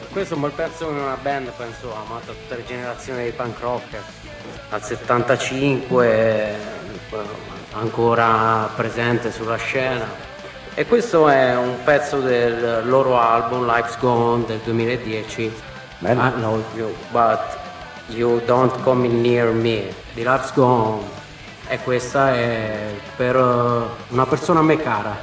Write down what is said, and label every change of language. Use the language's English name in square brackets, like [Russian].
[Italian] questo è un bel pezzo di una band, penso, amata tutta la generazione dei punk rocker. Al 75, ancora presente sulla scena. E questo è un pezzo del loro album Life's Gone del 2010. Bene. [English] I know you, but you don't come near me. The Life's Gone. [Italian] E questa è per una persona a me cara.